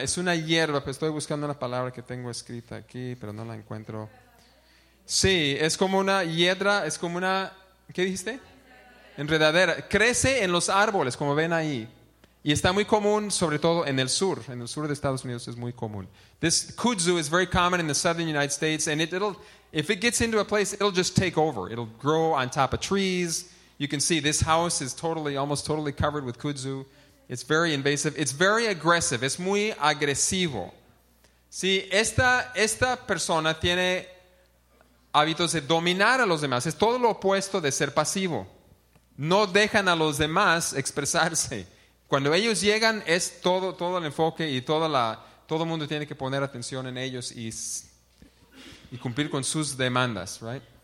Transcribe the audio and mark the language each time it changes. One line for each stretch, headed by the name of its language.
Spanish: Es una hierba, pero estoy buscando una palabra que tengo escrita aquí, pero no la encuentro. Sí, es como una hiedra, es como una, ¿qué dijiste? Enredadera. Crece en los árboles, como ven ahí. Y está muy común, sobre todo en el sur. En el sur de Estados Unidos es muy común.
English: This kudzu is very common in the southern United States, and if it gets into a place, it'll just take over. It'll grow on top of trees. You can see this house is almost totally covered with kudzu. It's very invasive. It's very aggressive.
Spanish: Es muy agresivo. Sí, esta persona tiene hábitos de dominar a los demás. Es todo lo opuesto de ser pasivo. No dejan a los demás expresarse. Cuando ellos llegan, es todo el enfoque y todo el mundo tiene que poner atención en ellos y cumplir con sus demandas, right?